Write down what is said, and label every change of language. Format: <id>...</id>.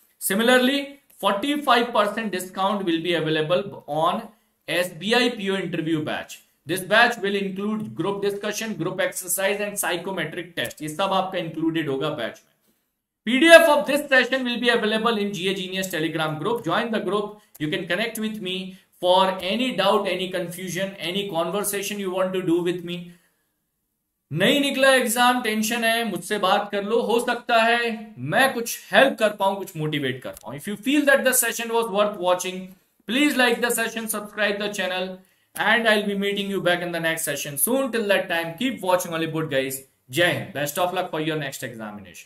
<en>Similarly 45% discount will be available on SBI PO interview batch. This batch will include group discussion, group exercise and psychometric test,</en> <hi>ये सब आपका included होगा batch में।</hi> <en>PDF of this session will be available in GA Genius Telegram group. Join the group. You can connect with me for any doubt, any confusion, any conversation you want to do with me.</en> <hi>नहीं निकला exam, tension है, मुझसे बात कर लो, हो सकता है मैं कुछ हेल्प कर पाऊं, कुछ मोटिवेट कर पाऊं।</hi> <en>If you feel that the session was worth watching, please like the session, subscribe the channel and I will be meeting you back in the next session soon. Till that time keep watching only good guys. Jai Hind, best of luck for your next examination.</en>